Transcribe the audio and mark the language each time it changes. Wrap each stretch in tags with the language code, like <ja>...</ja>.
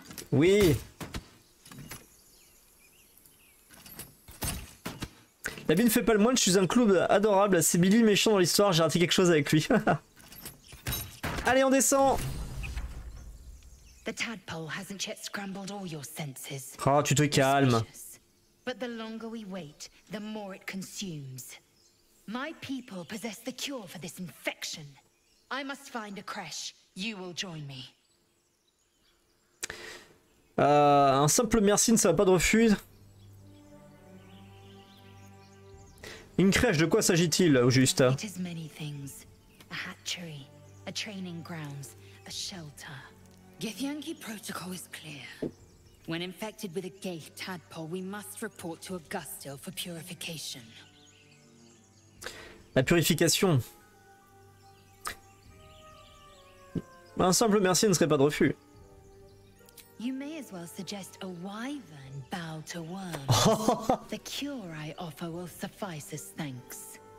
<fr>Oui. La vie ne fait pas le moine, je suis un clown adorable. C'est Billy méchant dans l'histoire, j'ai raté quelque chose avec lui. Allez, on descend.</fr> <en>The tadpole hasn't yet scrambled all your senses.</en> <fr>Oh, tu te calmes.</fr> <en>But the longer we wait, the more it consumes. My people possess the cure for this infection. I must find a crèche. You will join me.</en> <fr>Un simple merci ne sera pas de refus. Une crèche, de quoi s'agit-il au juste?</fr> <en>It is many things. A hatchery. A training grounds, a shelter. Githyanki protocol is clear. When infected with a Geith tadpole, we must report to Augusto for purification.</en> <fr>La purification. Un simple merci ne serait pas de refus.</fr> <en>You may as well suggest a wyvern bow to worms. The cure I offer will suffice as thanks.</en>